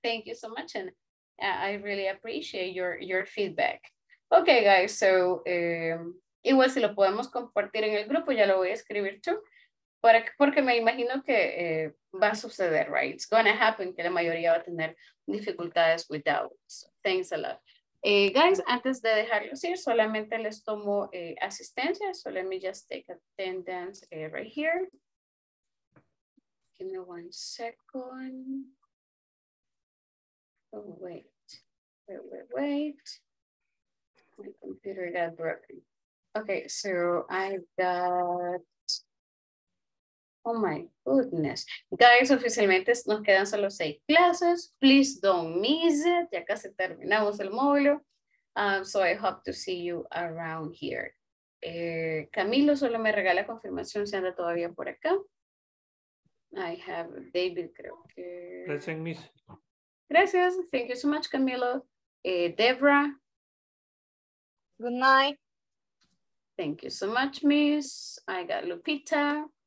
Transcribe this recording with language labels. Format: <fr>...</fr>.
<en>Thank you so much and I really appreciate your feedback.</en> <es>Okay, guys, so igual si lo podemos compartir en el grupo, ya lo voy a escribir too, porque me imagino que va a suceder, right?</es> <en>It's gonna happen,</en> <es>que la mayoría va a tener dificultades</es> <en>with doubts. Thanks a lot. Guys,</en> <es>antes de dejarlos ir, solamente les tomo asistencia,</es> <en>so let me just take attendance right here. Give me one second. Oh, wait. My computer got broken. Okay, so I've got, oh my goodness.</en> <es>Guys, oficialmente nos quedan solo 6 clases.</es> <en>Please don't miss it.</en> <es>Ya casi terminamos el módulo.</es> <en>So I hope to see you around here.</en> <es>Camilo solo me regala confirmación si anda todavía por acá.</es> <en>I have David,</en> <es>creo que.</es> <en>Present, miss.</en> <es>Gracias.</es> <en>Thank you so much, Camilo. Debra. Good night. Thank you so much, Miss. I got Lupita.</en>